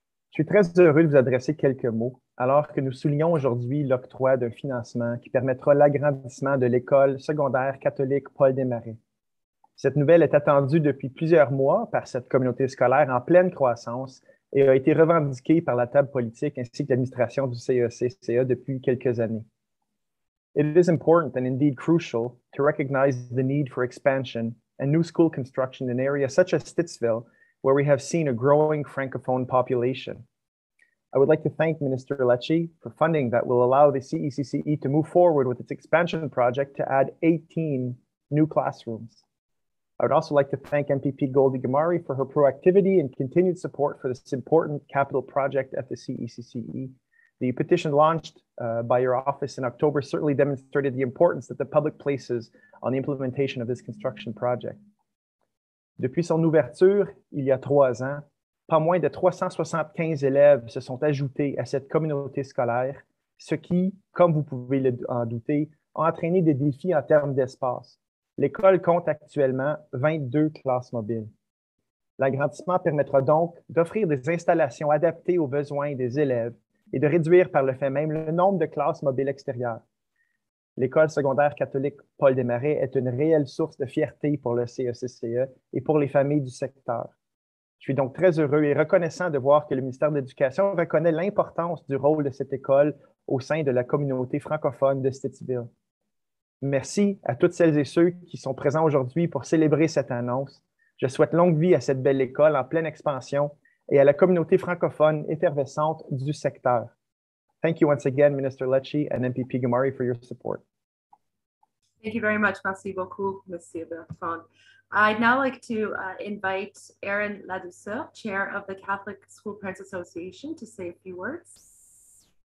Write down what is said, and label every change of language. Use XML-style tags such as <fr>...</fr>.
<fr>Je suis très heureux de vous adresser quelques mots, alors que nous soulignons aujourd'hui l'octroi d'un financement qui permettra l'agrandissement de l'école secondaire catholique Paul Desmarais. Cette nouvelle est attendue depuis plusieurs mois par cette communauté scolaire en pleine croissance et a été revendiquée par la table politique ainsi que l'administration du CECCA depuis quelques années.</fr> <en>It is important and indeed crucial to recognize the need for expansion and new school construction in areas such as Stittsville, where we have seen a growing Francophone population. I would like to thank Minister Lecce for funding that will allow the CECCE to move forward with its expansion project to add 18 new classrooms. I would also like to thank MPP Goldie Ghamari for her proactivity and continued support for this important capital project at the CECCE. The petition launched by your office in October certainly demonstrated the importance that the public places on the implementation of this construction project.</en> <fr>Depuis son ouverture, il y a 3 ans, pas moins de 375 élèves se sont ajoutés à cette communauté scolaire, ce qui, comme vous pouvez en douter, a entraîné des défis en termes d'espace. L'école compte actuellement 22 classes mobiles. L'agrandissement permettra donc d'offrir des installations adaptées aux besoins des élèves et de réduire par le fait même le nombre de classes mobiles extérieures. L'école secondaire catholique Paul Desmarais est une réelle source de fierté pour le CECCE et pour les familles du secteur. Je suis donc très heureux et reconnaissant de voir que le ministère de l'Éducation reconnaît l'importance du rôle de cette école au sein de la communauté francophone de Stittsville. Merci à toutes celles et ceux qui sont présents aujourd'hui pour célébrer cette annonce. Je souhaite longue vie à cette belle école en pleine expansion et à la communauté francophone effervescente du secteur.</fr> <en>Thank you once again, Minister Lecce and MPP Ghamari, for your support. Thank you very much.</en> <fr>Merci beaucoup, Monsieur Bertrand.</fr> <en>I'd now like to invite Aaron Ladouceur, Chair of the Catholic School Parents Association, to say a few words.</en>